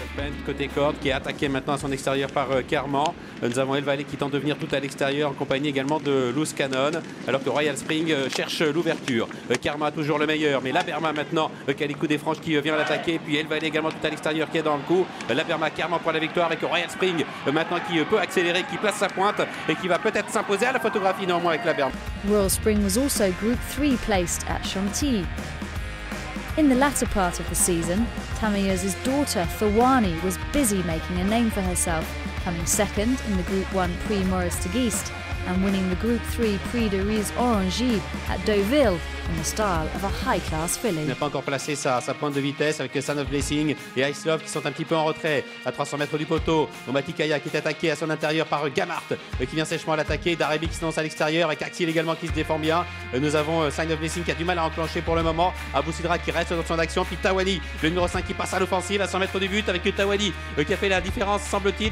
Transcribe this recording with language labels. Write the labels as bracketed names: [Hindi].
[French] Bent côté corde qui est attaqué maintenant à son extérieur par Carman. Nous avons El Valet qui tente de venir tout à l'extérieur en compagnie également de Loose Cannon, alors que Royal Spring cherche l'ouverture. Karma toujours le meilleur, mais Laberma maintenant, Calico des Franches qui vient l'attaquer, puis El Valet également tout à l'extérieur qui est dans le coup. Laberma, Carman pour la victoire avec Royal Spring maintenant qui peut accélérer, qui place sa pointe et qui va peut-être s'imposer à la photographie néanmoins avec Laberma. [English] Royal Spring was also Group 3 placed at Chantilly. In the latter part of the season, Tamayoz's daughter, Thawani, was busy making a name for herself, coming second in the Group 1 Prix Maurice de Geest and winning the Group 3 Prix de Riz Orangy at Deauville in the style of a high-class filly. [French] Il n'a pas encore placé sa pointe de vitesse avec Son of Blessing et Ice Love qui sont un petit peu en retrait à 300 mètres du poteau. Omati Kaya qui est attaqué à son intérieur par Gamart qui vient sèchement l'attaquer. Darabi qui se lance à l'extérieur avec Axil également qui se défend bien. Nous avons Son of Blessing qui a du mal à enclencher pour le moment. Abou Sidra qui reste dans son action. Puis Tawani, le numéro 5 qui passe à l'offensive à 100 mètres du but avec Tawani qui a fait la différence, semble-t-il.